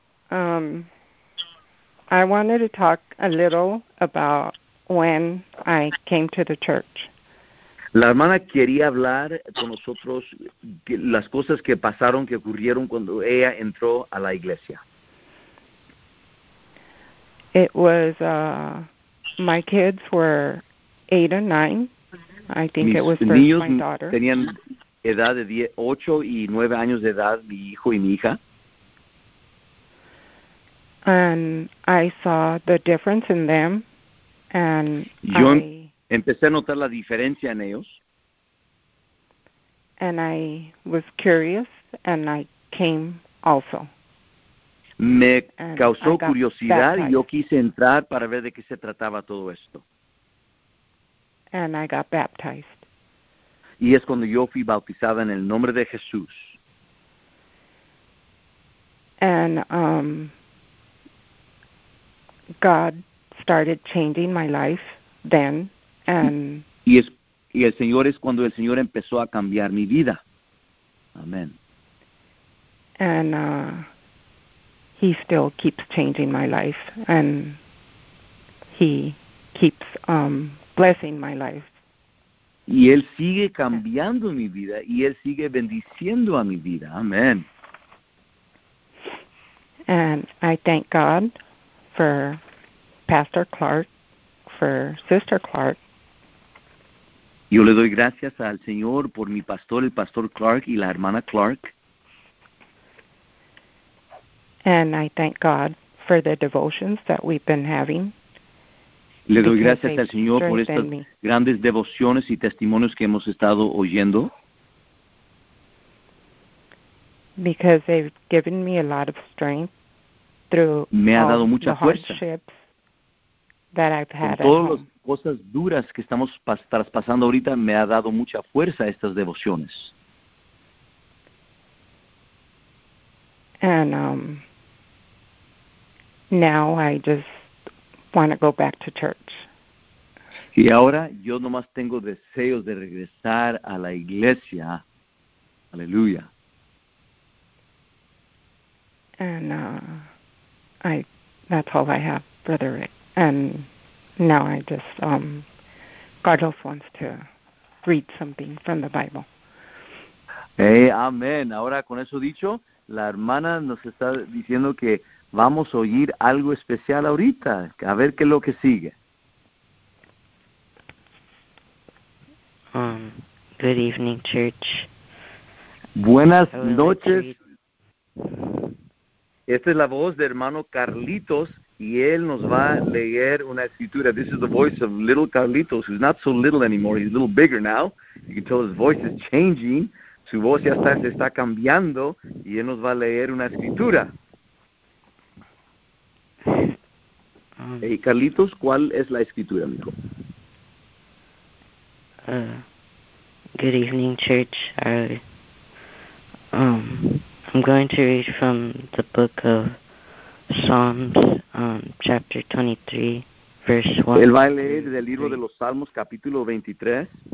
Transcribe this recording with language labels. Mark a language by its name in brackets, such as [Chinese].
[English] I wanted to talk a little about when I came to the church. [Spanish] La hermana quería hablar con nosotros que las cosas que pasaron, que ocurrieron cuando ella entró a la iglesia. [English] It was my kids were 8 and 9. I think [Spanish] mis [English] it was [Spanish] niños [English] first my daughter. [Spanish] Tenían edad de 8 y 9 años de edad, mi hijo y mi hija. [English] And I saw the difference in them. And [Spanish] yo [English] I [Spanish] empecé a notar la diferencia en ellos. [English] And I was curious and I came also. [Spanish] Me causó curiosidad y yo quise entrar para ver de qué se trataba todo esto. [English] And I got baptized. [Spanish] Y es cuando yo fui bautizada en el nombre de Jesús. [English] And God started changing my life then. And [Spanish] y el Señor es cuando el Señor empezó a cambiar mi vida. Amén. [English] And He still keeps changing my life, and He keeps blessing my life. [Spanish] Y Él sigue cambiando mi vida, y Él sigue bendiciendo a mi vida. Amén. [English] And I thank God for Pastor Clark, for Sister Clark. [Spanish] Yo le doy gracias al Señor por mi pastor, el Pastor Clark, y la hermana Clark. [English] And I thank God for the devotions that we've been having. [Spanish] Le doy gracias al Señor por estas grandes devociones y testimonios que hemos estado oyendo. [English] Because they've given me a lot of strength through [Spanish] me ha dado mucha fuerza. [English] Hardships that I've had. [Spanish] Todas las cosas duras que estamos traspasando ahorita, me ha dado mucha fuerza estas devociones. [English] And now I just want to go back to church. [Spanish] Y ahora yo nomás tengo deseos de regresar a la iglesia. Aleluya. [English] And that's all I have, Brother Rick. And now I just, Carlos wants to read something from the Bible. [Spanish] Hey, amén. Ahora con eso dicho, la hermana nos está diciendo que vamos a oír algo especial ahorita, a ver qué es lo que sigue. [English] Good evening, church. [Spanish] Buenas noches. Esta es la voz de hermano Carlitos, y él nos va a leer una escritura. [English] This is the voice of little Carlitos, who's not so little anymore. He's a little bigger now. You can tell his voice is changing. [Spanish] Su voz ya se está cambiando, y él nos va a leer una escritura. Hey, Carlitos, ¿cuál es la escritura, amigo? [English] Good evening, church. I'm going to read from the book of Psalms, chapter 23, verse 1. [Spanish] Él va a leer del libro de los Salmos, capítulo 23.